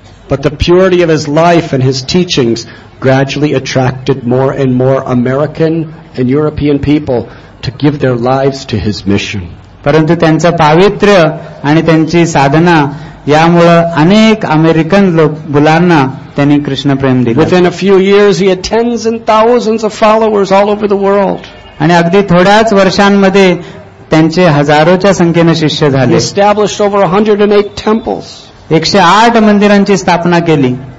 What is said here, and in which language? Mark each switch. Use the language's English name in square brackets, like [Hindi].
[English] But the purity of his life and his teachings gradually attracted more and more American and European people to give their lives to his mission. [Marathi] परंतु त्यांचं पावित्र्य आणि त्यांची साधना यामुळे अनेक American मुलांना त्यांनी कृष्णप्रेम दिलं. [English] Within a few years he had tens and thousands of followers all over the world. [Marathi] आणि अगदी थोड्याच वर्षांमध्ये त्यांचे हजारोच्या संख्येने शिष्य झाले. [English] He established over 108 temples. [Marathi] 108 मंदिरांची स्थापना केली.